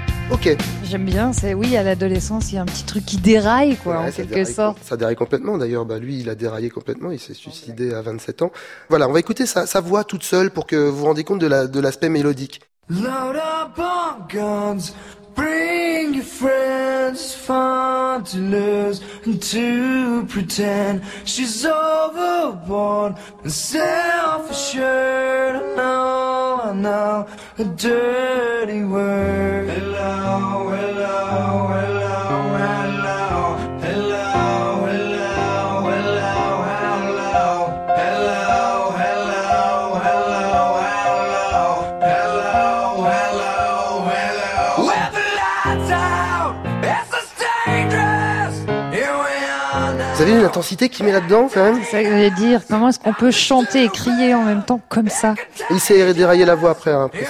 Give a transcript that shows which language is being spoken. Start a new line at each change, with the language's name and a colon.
French: Ok. J'aime bien, c'est oui, à l'adolescence, il y a un petit truc qui déraille, quoi, ouais, en quelque sorte. Ça déraille complètement, d'ailleurs. Bah, lui, il a déraillé complètement, il s'est suicidé à 27 ans. Voilà, on va écouter sa voix toute seule pour que vous vous rendiez compte de l'aspect mélodique.
English: Load up on guns, bring your friends, fun to lose and to pretend she's overborn and self-assured. I know a dirty word. Hello, hello, hello, hello. Hello, hello, hello, hello. Hello, hello, hello, hello. Hello, hello, hello. With the lights out, it's as dangerous. Here we are now.
French: Vous avez une intensité qui met là-dedans, quand même. C'est ça que j'allais dire. Comment est-ce qu'on peut chanter et crier en même temps comme ça? Il s'est déraillé la voix après ça.